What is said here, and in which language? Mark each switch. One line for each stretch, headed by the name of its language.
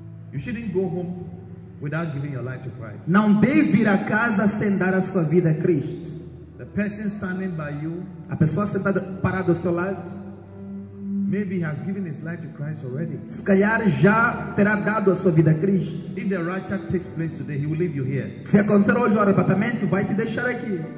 English: You shouldn't go home without giving your life to Christ.
Portuguese: Não deve ir a casa sem dar a sua vida a Cristo.
English: The person standing by you,
Portuguese: a pessoa sentada parada ao seu lado,
English: maybe he has given his life to Christ already.
Portuguese: Se calhar já terá dado a sua vida a Cristo.
English: If the rapture takes place today, he will leave you here.
Portuguese: Se acontecer hoje o arrebatamento, vai te deixar aqui.